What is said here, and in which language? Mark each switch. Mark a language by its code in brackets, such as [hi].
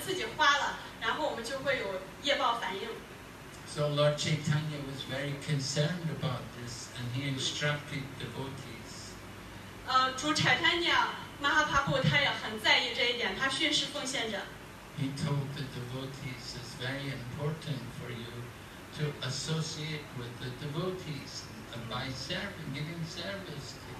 [zh] 但是如果我们把这个钱我们自己花了，然后我们就会有业报反应。 [en] So Lord Chaitanya was very concerned about this, and he instructed devotees. [zh] 主柴坦尼亚马哈帕布他也很在意这一点，他训示奉献者。 [en] He told the devotees, it's very important for you to associate with the devotees and by giving service.